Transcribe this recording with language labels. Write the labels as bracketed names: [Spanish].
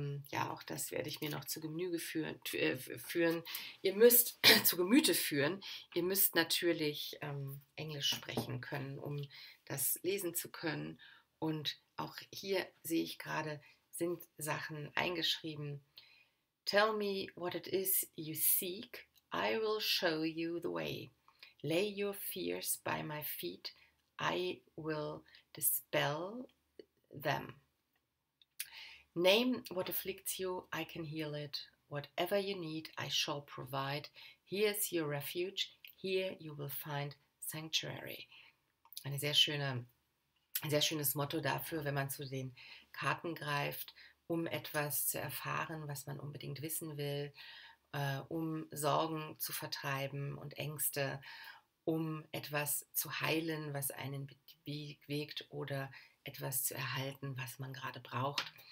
[German] Ja, auch das werde ich mir noch zu Gemüte führen. Ihr müsst zu Gemüte führen. Ihr müsst natürlich Englisch sprechen können, um das lesen zu können. Und auch hier sehe ich gerade, sind Sachen eingeschrieben. [English] Tell me what it is you seek. I will show you the way. Lay your fears by my feet. I will dispel them. Name what afflicts you, I can heal it. Whatever you need, I shall provide. Here's your refuge, here you will find sanctuary. [German] Ein sehr schönes Motto dafür, wenn man zu den Karten greift, um etwas zu erfahren, was man unbedingt wissen will, um Sorgen zu vertreiben und Ängste, um etwas zu heilen, was einen bewegt oder etwas zu erhalten, was man gerade braucht.